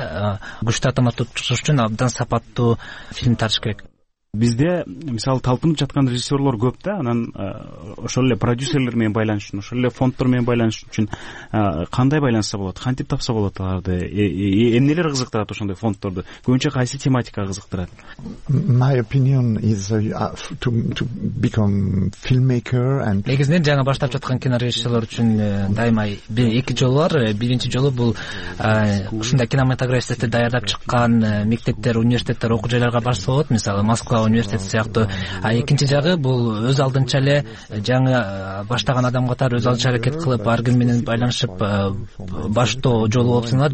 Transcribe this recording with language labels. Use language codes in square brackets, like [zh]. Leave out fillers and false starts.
[ky] Күчтүү атаандаштык чыгыш үчүн абдан сапаттуу фильм тартыш керек. Бизде мисалы талпынып жаткан режиссерлор көп да, анан ошол эле продюсерлер менен байланыш үчүн, ошол эле фонддор менен байланыш үчүн кандай байланышса болот, кантип тапса болот аларды? Эмнелер кызыктырат ошондой фонддорду? Көбүнчө кайсы тематика кызыктырат? [en] My opinion is to become filmmaker and [ky] негизинен жаңы баштап жаткан кинорежиссерлор үчүн дайыма эки жолу бар. Биринчи жолу бул ушундай кинематографистерди даярдап чыккан мектептер, университеттер, окуу жайларга барса болот, мисалы университет сыяктуу. А экинчи жагы бул өз алдынча эле жаңы баштаган адам катары өз алдынча аракет кылып, ар ким менен байланышып баштоо жолу болуп саналат.